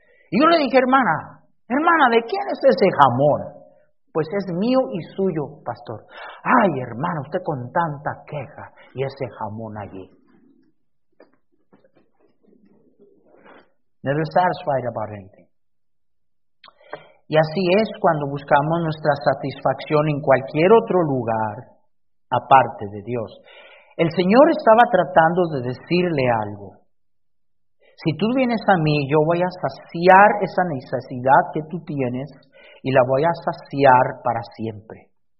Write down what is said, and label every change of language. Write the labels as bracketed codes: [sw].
[es] Y yo le dije, hermana, ¿de quién es ese jamón? Pues es mío y suyo, pastor. Ay, hermano, usted con tanta queja y ese jamón allí. [en] Never satisfied about anything. [es] Y así es cuando buscamos nuestra satisfacción en cualquier otro lugar aparte de Dios. El Señor estaba tratando de decirle algo. Si tú vienes a mí, yo voy a saciar esa necesidad que tú tienes y la voy a saciar para siempre.